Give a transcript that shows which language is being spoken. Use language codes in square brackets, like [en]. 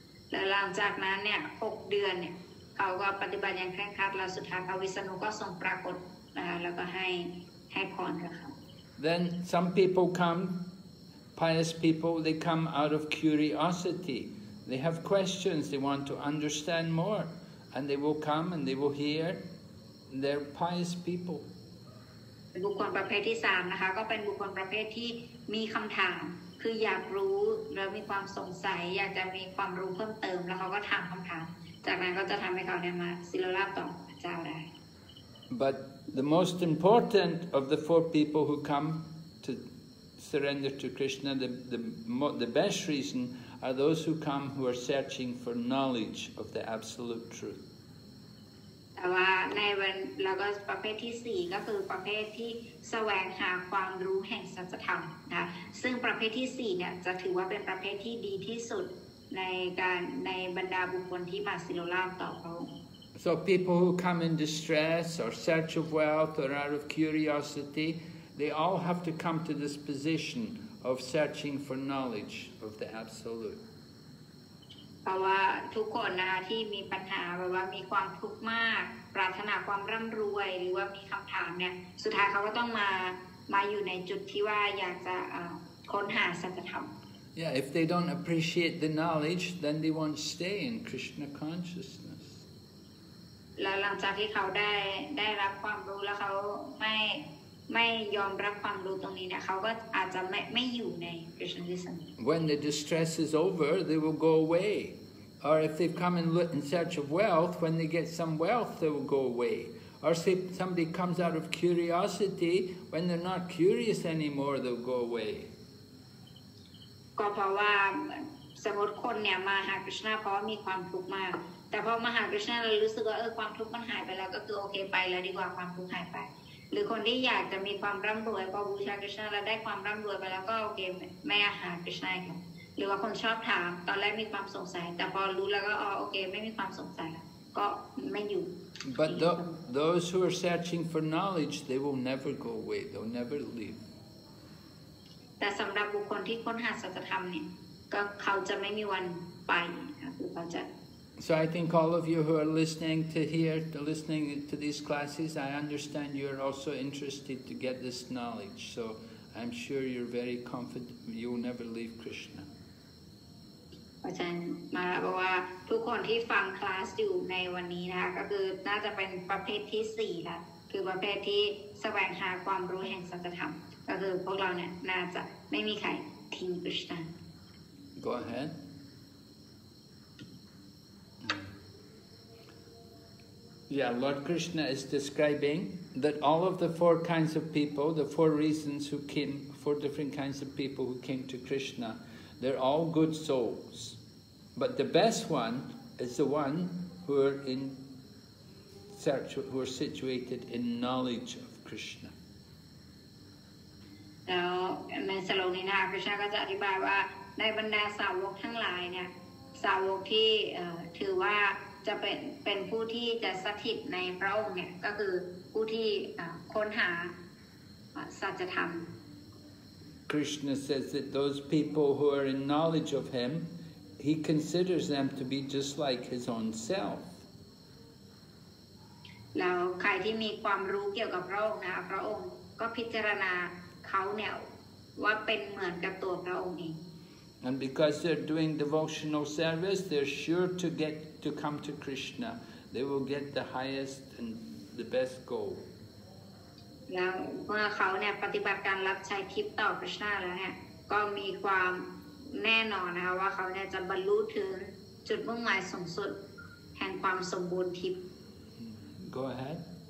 [th] แล้วหลังจากนั้นเนี่ย6เดือนเนี่ยเขาก็ปฏิบัติอย่างเคร่งครัดแล้วสุดท้ายพระวิษณุก็ทรงปรากฏนะคะแล้วก็ให้พรกับเขา [en] Then some people come pious people they come out of curiosity they have questions they want to understand more and they will come and they will hear they're pious people [th] บุคคลประเภทที่3นะคะก็เป็นบุคคลประเภทที่มีคําถามคืออยากรู้แล้วมีความสงสัยอยากจะมีความรู้เพิ่มเติมแล้วเขาก็ถามคำถามจากนั้นก็จะทำให้เขาเนี่ยมาสิโลลาบต่อพระเจ้าได้ [en] But the most important of the four people who come to surrender to Krishna the best reason are those who come who are searching for knowledge of the absolute truth [th] แต่ว่าในวันแล้วก็ประเภทที่สี่ก็คือประเภทที่แสวงหาความรู้แห่งสัจธรรมนะซึ่งประเภทที่สี่เนี่ยจะถือว่าเป็นประเภทที่ดีที่สุดในการในบรรดาบุคคลที่มาสิโลลาบต่อพระองค์ [en] So people who come in distress or search of wealth or out of curiosity they all have to come to this position of searching for knowledge of the absolute [th] เพราะว่าทุกคนนะที่มีปัญหาแบบว่ามีความทุกข์มากปรารถนาความร่ำรวยหรือว่ามีคำถามเนี่ยสุดท้ายเขาก็ต้องมาอยู่ในจุดที่ว่าอยากจะค้นหาสัจธรรม [en] Yeah if they don't appreciate the knowledge then they won't stay in Krishna consciousness [th] แล้วหลังจากที่เขาได้รับความรู้แล้วเขาไม่ยอมรับความรู้ตรงนี้เนี่ยเขาก็อาจจะไม่อยู่ใน Krishna consciousness [en] When the distress is over they will go awayOr if they've come in search of wealth, when they get some wealth, they will go away. Or say somebody comes out of curiosity, when they're not curious anymore, they'll go away. [th] ก็เพราะว่าสมมติคนเนี่ยมาหากริชนาเพราะว่ามีความทุกข์มากแต่พอมาหากริชนาเรารู้สึกว่าความทุกข์มันหายไปแล้วก็คือโอเคไปแล้วดีกว่าความทุกข์หายไปหรือคนที่อยากจะมีความร่ำรวยพอบูชากริชนาแล้วได้ความร่ำรวยไปแล้วก็โอเคไม่อาหากริชนาค่ะหรือว่าคนชอบถามตอนแรกมีความสงสัยแต่พอรู้แล้วก็อ๋อโอเคไม่มีความสงสัยแล้วก็ไม่อยู่ [en] but those who are searching for knowledge they will never go away they'll never leave [th] แต่สำหรับบุคคลที่ค้นหาสัจธรรมเนี่ยก็เขาจะไม่มีวันไปคือเขาจะ [en] So I think all of you who are listening to here, listening to these classes, I understand you are also interested to get this knowledge. So I'm sure you're very confident you will never leave Krishna. [th] อาจารย์ มา บอกว่าทุกคนที่ฟังคลาสอยู่ในวันนี้นะคะก็คือน่าจะเป็นประเภทที่สี่ละคือประเภทที่แสวงหาความรู้แห่งสัจธรรมก็คือพวกเราเนี่ยน่าจะไม่มีใครทิ้งคริสตาน [en] Go ahead. Yeah, Lord Krishna is describing that all of the four kinds of people, the four reasons who came, four different kinds of people who came to Krishna, they're all good souls. But the best one is the one who are in search, who are situated in knowledge of Krishna. [th] So, จะเป็นผู้ที่จะสถิตในพระองค์เนี่ยก็คือผู้ที่ค้นหาสัจธรรม [en] Krishna says that those people who are in knowledge of him he considers them to be just like his own self [th] แล้วใครที่มีความรู้เกี่ยวกับพระองค์นะพระองค์ก็พิจารณาเขาเนี่ยว่าเป็นเหมือนกับตัวพระองค์เอง [en] And because they're doing devotional service, they're sure to get to come to Krishna. They will get the highest and the best goal. Go ahead.